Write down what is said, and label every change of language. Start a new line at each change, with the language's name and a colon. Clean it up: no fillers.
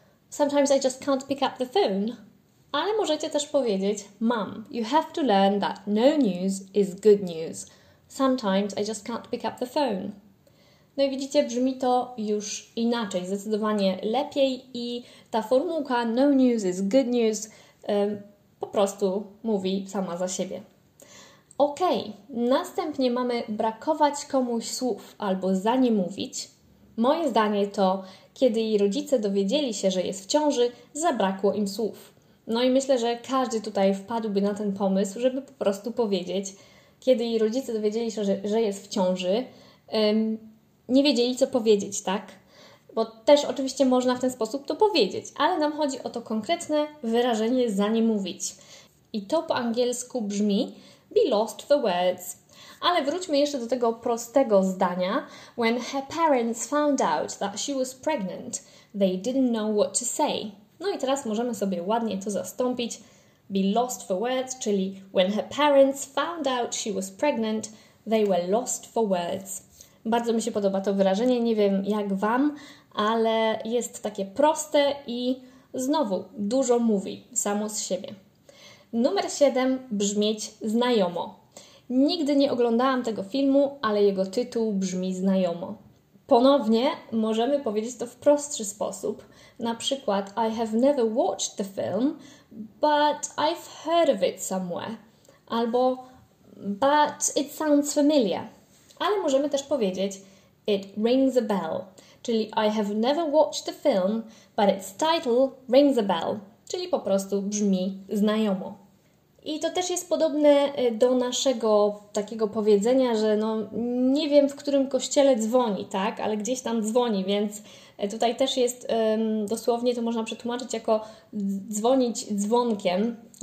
English: Sometimes I just can't pick up the phone.
Polish: Ale możecie też powiedzieć:
English: Mom, you have to learn that no news is good news. Sometimes I just can't pick up the phone.
Polish: No i widzicie, brzmi to już inaczej, zdecydowanie lepiej i ta formułka
English: no news is good news
Polish: po prostu mówi sama za siebie. Ok, następnie mamy brakować komuś słów albo za nie mówić. Moje zdanie to, kiedy jej rodzice dowiedzieli się, że jest w ciąży, zabrakło im słów. No i myślę, że każdy tutaj wpadłby na ten pomysł, żeby po prostu powiedzieć, kiedy jej rodzice dowiedzieli się, że jest w ciąży, nie wiedzieli, co powiedzieć, tak? Bo też oczywiście można w ten sposób to powiedzieć, ale nam chodzi o to konkretne wyrażenie za nie mówić. I to po angielsku brzmi
English: be lost for words.
Polish: Ale wróćmy jeszcze do tego prostego zdania.
English: When her parents found out that she was pregnant, they didn't know what to say.
Polish: No i teraz możemy sobie ładnie to zastąpić.
English: Be lost for words, czyli when her parents found out she was pregnant, they were lost for words.
Polish: Bardzo mi się podoba to wyrażenie, nie wiem jak Wam, ale jest takie proste i znowu dużo mówi samo z siebie. Numer 7 brzmieć znajomo. Nigdy nie oglądałam tego filmu, ale jego tytuł brzmi znajomo. Ponownie możemy powiedzieć to w prostszy sposób. Na przykład
English: I have never watched the film, but I've heard of it somewhere. Albo but it sounds familiar.
Polish: Ale możemy też powiedzieć
English: it rings a bell. Czyli I have never watched the film, but its title rings a bell.
Polish: Czyli po prostu brzmi znajomo. I to też jest podobne do naszego takiego powiedzenia, że no nie wiem w którym kościele dzwoni, tak? Ale gdzieś tam dzwoni, więc tutaj też jest dosłownie to można przetłumaczyć jako dzwonić dzwonkiem.